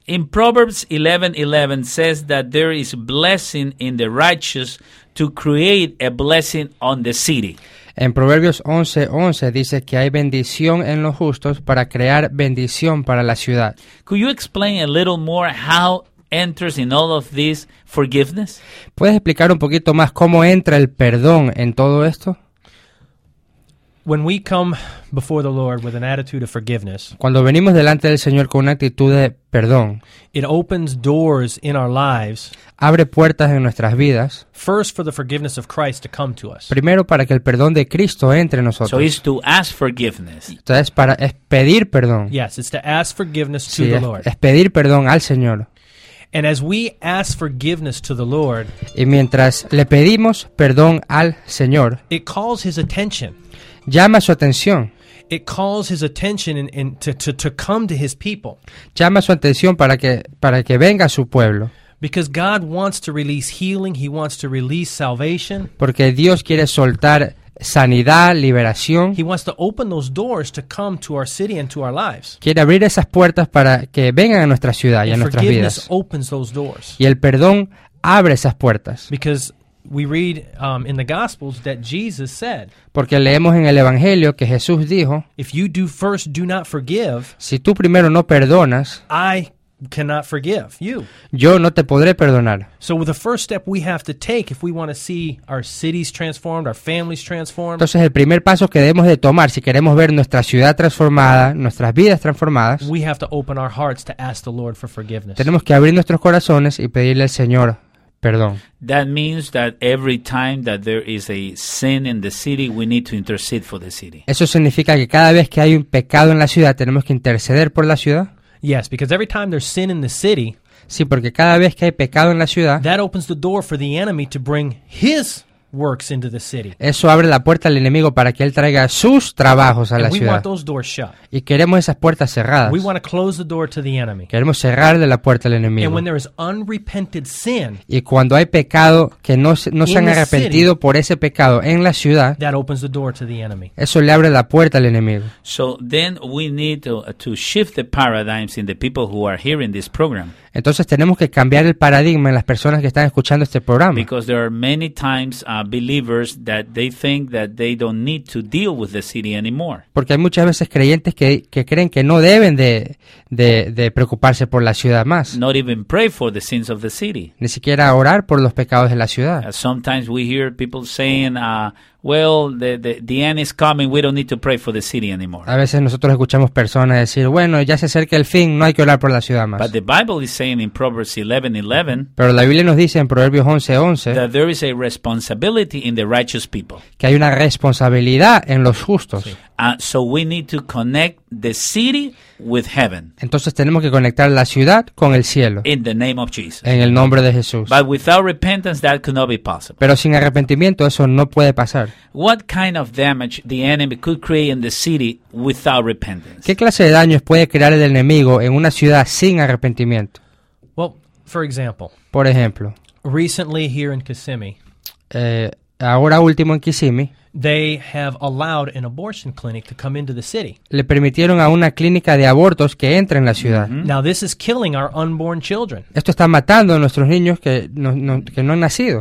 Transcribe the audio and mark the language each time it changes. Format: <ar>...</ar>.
<en>In Proverbs 11:11 says that there is blessing in the righteous to create a blessing on the city.</en> <es>En Proverbios 11:11 dice que hay bendición en los justos para crear bendición para la ciudad.</es> <en>Could you explain a little more how enters in all of this forgiveness?</en> <es>¿Puedes explicar un poquito más cómo entra el perdón en todo esto?</es> <en>When we come before the Lord with an attitude of forgiveness,</en> <es>cuando venimos delante del Señor con una actitud de perdón,</es> <en>it opens doors in our lives,</en> <es>abre puertas en nuestras vidas,</es> <en>first for the forgiveness of Christ to come to us,</en> <es>primero para que el perdón de Cristo entre en nosotros.</es> <en>So it's to ask forgiveness.</en> <es>Entonces para es pedir perdón.</es> <en>Yes, it's to ask forgiveness to the Lord.</en> <es>Es pedir perdón al Señor.</es> <en>And as we ask forgiveness to the Lord,</en> <es>y mientras le pedimos perdón al Señor,</es> <en>it calls his attention.</en> <es>Llama su atención.</es> <en>It calls his attention and to come to his people.</en> <es>Llama su atención para que venga a su pueblo.</es> <en>Because God wants to release healing, he wants to release salvation.</en> <es>Porque Dios quiere soltar sanidad, liberación.</es> <en>He wants to open those doors to come to our city and to our lives.</en> <es>Quiere abrir esas puertas para que vengan a nuestra ciudad y</es> <en>and</en> <es>a nuestras</es> <en>forgiveness</en> <es>vidas.</es> <en>Forgiveness opens those doors.</en> <es>Y el perdón abre esas puertas.</es> <en>Because we read in the Gospels that Jesus said,</en> <es>porque leemos en el Evangelio que Jesús dijo,</es> <en>if you do first do not forgive,</en> <es>si tú primero no perdonas,</es> <en>I cannot forgive you.</en> <es>Yo no te podré perdonar.</es> <en>So the first step we have to take if we want to see our cities transformed, our families transformed.</en> <es>Entonces el primer paso que debemos de tomar si queremos ver nuestra ciudad transformada, nuestras vidas transformadas,</es> <en>we have to open our hearts to ask the Lord for forgiveness.</en> <es>Tenemos que abrir nuestros corazones y pedirle al Señor perdón.</es> <en>That means that every time that there is a sin in the city, we need to intercede for the city.</en> <es>Eso significa que cada vez que hay un pecado en la ciudad, tenemos que interceder por la ciudad.</es> <en>Yes, because every time there's sin in the city,</en> <es>sí, porque cada vez que hay pecado en la ciudad,</es> <en>that opens the door for the enemy to bring his works into the city.</en> <es>Eso abre la puerta al enemigo para que él traiga sus trabajos a</es> <en>and</en> <es>la</es> <en>we</en> <es>ciudad.</es> <en>Want those doors shut.</en> <es>Y queremos esas puertas cerradas.</es> <en>We want to close the door to the enemy.</en> <es>Queremos cerrarle la puerta al enemigo.</es> <en>And when there is unrepented sin,</en> <es>y cuando hay pecado que no se han arrepentido</es> <en>city,</en> <es>por ese pecado en la ciudad,</es> <en>that opens the door to the enemy.</en> <es>Eso le abre la puerta al enemigo.</es> <en>So then we need to shift the paradigms in the people who are here in this program.</en> <es>Entonces tenemos que cambiar el paradigma en las personas que están escuchando este programa.</es> <en>Because there are many times believers that they think that they don't need to deal with the city anymore.</en> <es>Porque hay muchas veces creyentes que creen que no deben de preocuparse por la ciudad más.</es> <en>Not even pray for the sins of the city.</en> <es>Ni siquiera orar por los pecados de la ciudad.</es> <en>Sometimes we hear people saying, well, the end is coming, we don't need to pray for the city anymore.</en> <es>A veces nosotros escuchamos personas decir, bueno, ya se acerca el fin, no hay que orar por la ciudad más.</es> <en>But the Bible is saying in Proverbs 11:11,</en> <es>pero la Biblia nos dice en Proverbios 11:11,</es> <en>that there is a responsibility in the righteous people.</en> <es>Que hay una responsabilidad en los justos.</es> <en>So we need to connect the city with heaven.</en> <es>Entonces tenemos que conectar la ciudad con el cielo.</es> <en>In the name of Jesus.</en> <es>En el nombre de Jesús.</es> <en>But without repentance, that could not be possible.</en> <es>Pero sin arrepentimiento eso no puede pasar.</es> <en>What kind of damage the enemy could create in the city without repentance?</en> <es>¿Qué clase de daños puede crear el enemigo en una ciudad sin arrepentimiento?</es> <en>Well, for example.</en> <es>Por ejemplo.</es> <en>Recently here in Kissimmee.</en> <es>Ahora último en Kissimmee.</es> <en>They have allowed an abortion clinic to come into the city.</en> <es>Le permitieron a una clínica de abortos que entre en la ciudad.</es> <en>Mm-hmm. Now this is killing our unborn children.</en> <es>Esto está matando a nuestros niños que no han nacido.</es>